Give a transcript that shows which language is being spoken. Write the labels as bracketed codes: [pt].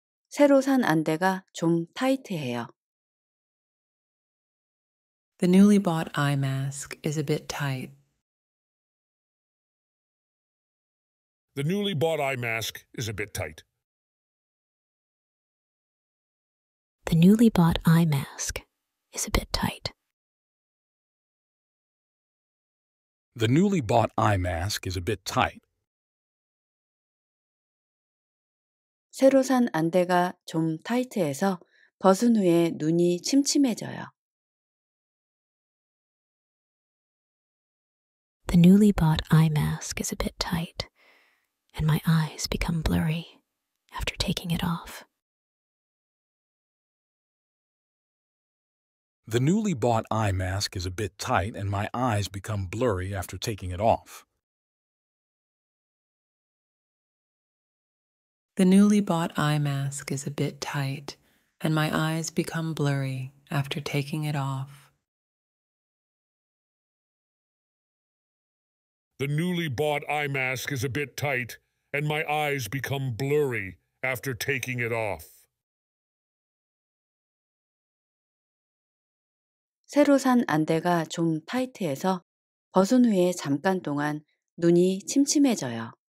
[ko] 새로 산 안대가 좀 타이트해요. [en] The newly bought eye mask is a bit tight. The newly bought eye mask is a bit tight. The newly bought eye mask is a bit tight. The newly bought eye mask is a bit tight. [ko] 새로 산 안대가 좀 타이트해서 벗은 후에 눈이 침침해져요. [en] The newly bought eye mask is a bit tight, and my eyes become blurry after taking it off. The newly bought eye mask is a bit tight, and my eyes become blurry after taking it off. The newly bought eye mask is a bit tight, and my eyes become blurry after taking it off. The newly bought eye mask is a bit tight, and my eyes become blurry after taking it off. [ko] 새로 산 안대가 좀 타이트해서 벗은 후에 잠깐 동안 눈이 침침해져요.